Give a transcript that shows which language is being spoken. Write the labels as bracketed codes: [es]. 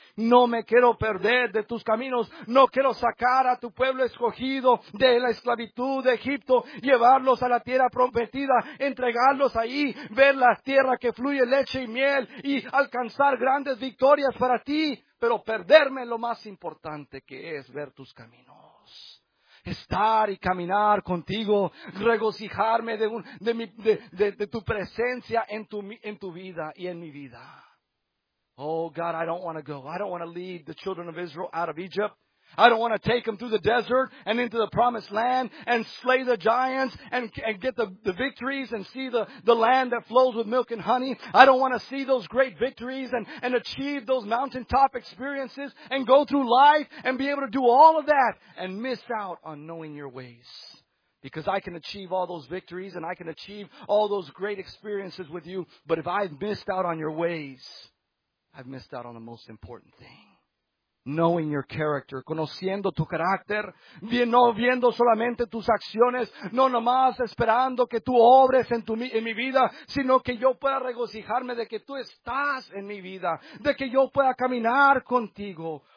[es] No me quiero perder de tus caminos. No quiero sacar a tu pueblo escogido de la esclavitud de Egipto, llevarlos a la tierra prometida, entregarlos ahí, ver la tierra que fluye leche y miel y alcanzar grandes victorias para ti, pero perderme lo más importante, que es ver tus caminos. Estar y caminar contigo, regocijarme de tu presencia en tu vida y en mi vida. [en] Oh, God, I don't want to go. I don't want to lead the children of Israel out of Egypt. I don't want to take them through the desert and into the promised land and slay the giants and get the victories and see the land that flows with milk and honey. I don't want to see those great victories and achieve those mountaintop experiences and go through life and be able to do all of that and miss out on knowing your ways. Because I can achieve all those victories and I can achieve all those great experiences with you. But if I've missed out on your ways, I've missed out on the most important thing. Knowing your character, [es] conociendo tu carácter, no viendo solamente tus acciones, no nomás esperando que tú obres en mi vida, sino que yo pueda regocijarme de que tú estás en mi vida, de que yo pueda caminar contigo.